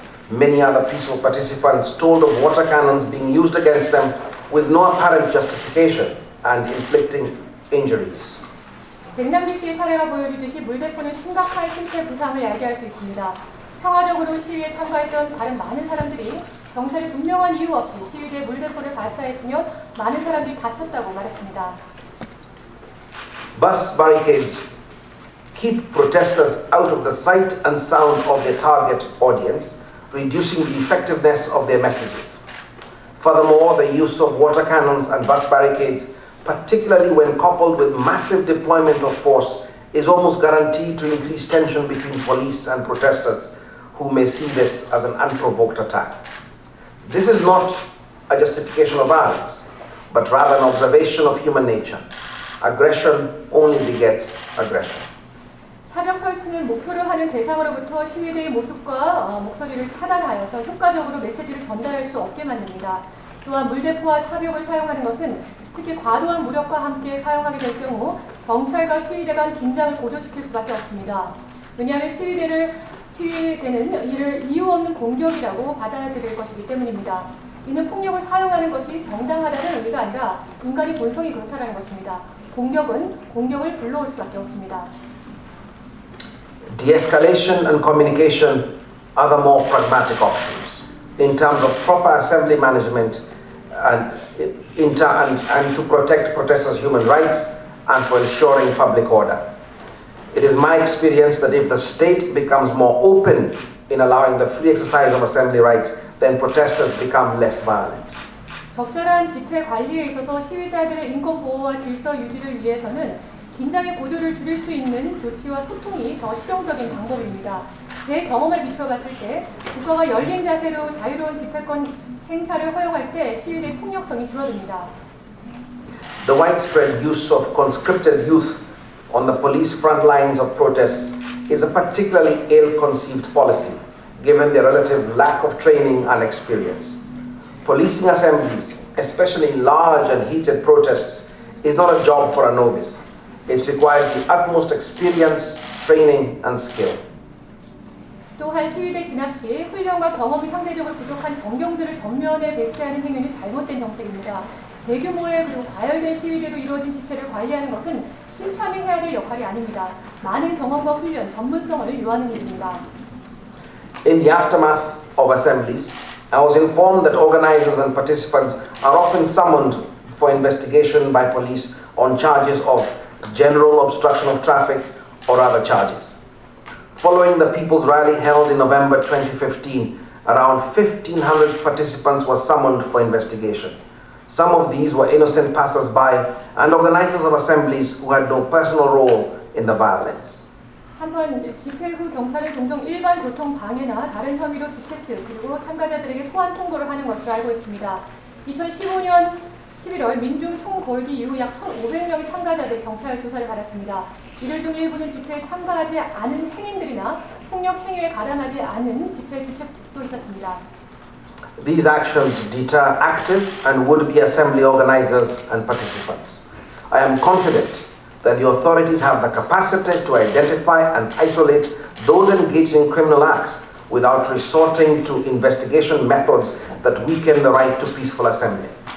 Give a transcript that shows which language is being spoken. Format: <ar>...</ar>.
<en>Many other peaceful participants told of water cannons being used against them with no apparent justification and inflicting injuries.</en> <ko>백남기 씨의 사례가 보여주듯이 물대포는 심각한 신체 부상을 야기할 수 있습니다. 평화적으로 시위에 참가했던 다른 많은 사람들이 경찰이 분명한 이유 없이 시위대 물대포를 발사했으며 많은 사람들이 다쳤다고 말했습니다.</ko> <en>Bus barricades keep protesters out of the sight and sound of their target audience, reducing the effectiveness of their messages. Furthermore, the use of water cannons and bus barricades, particularly when coupled with massive deployment of force, is almost guaranteed to increase tension between police and protesters, who may see this as an unprovoked attack. This is not a justification of violence, but rather an observation of human nature. Aggression only begets aggression.</en> <ko>차벽 설치는 목표를 하는 대상으로부터 시위대의 모습과 목소리를 차단하여서 효과적으로 메시지를 전달할 수 없게 만듭니다. 또한 물대포와 차벽을 사용하는 것은 특히 과도한 무력과 함께 사용하게 될 경우 경찰과 시위대 간 긴장을 고조시킬 수밖에 없습니다. 왜냐하면 시위대는 이를 이유 없는 공격이라고 받아들일 것이기 때문입니다. 이는 폭력을 사용하는 것이 정당하다는 의미가 아니라 인간의 본성이 그렇다는 것입니다. 공격은 공격을 불러올 수밖에 없습니다.</ko> <en>De-escalation and communication are the more pragmatic options. In terms of proper assembly management and to protect protesters' human rights and for ensuring public order. It is my experience that if the state becomes more open in allowing the free exercise of assembly rights, then protesters become less violent.</en> <ko>적절한 집회 관리에 있어서 시위자들의 인권 보호와 질서 유지를 위해서는 긴장의 고조를 줄일 수 있는 조치와 소통이 더 실용적인 방법입니다. 제 경험에 비춰봤을 때 국가가 열린 자세로 자유로운 집회권 행사를 허용할 때 시위대의 폭력성이 줄어듭니다.</ko> <en>The widespread use of conscripted youth on the police front lines of protests is a particularly ill-conceived policy, given their relative lack of training and experience. Policing assemblies, especially large and heated protests, is not a job for a novice. It requires the utmost experience, training, and skill.</en> <ko>또한 시위대 진압 시 훈련과 경험이 상대적으로 부족한 정경들을 전면에 배치하는 행위는 잘못된 정책입니다. 대규모의 그리고 과열된 시위대로 이루어진 집회를 관리하는 것은 신참이 해야 될 역할이 아닙니다. 많은 경험과 훈련, 전문성을 요하는 일입니다.</ko> <en>In the aftermath of assemblies, I was informed that organizers and participants are often summoned for investigation by police on charges of general obstruction of traffic or other charges. Following the People's Rally held in November 2015, around 1,500 participants were summoned for investigation. Some of these were innocent passers-by and organizers of assemblies who had no personal role in the violence.</en> <ko>한편 집회 후 경찰은 종종 일반 교통 방해나 다른 혐의로 주최 측 그리고 참가자들에게 소환 통보를 하는 것으로 알고 있습니다. 2015년 11월 민중 총궐기 이후 약 1,500명의 참가자들 경찰 조사를 받았습니다. 이들 중 일부는 집회에 참가하지 않은 행인들이나 폭력 행위에 가담하지 않은 집회 주최 측도 있었습니다.</ko> <en>These actions deter active and would-be assembly organizers and participants. I am confident that the authorities have the capacity to identify and isolate those engaged in criminal acts without resorting to investigation methods that weaken the right to peaceful assembly.</en>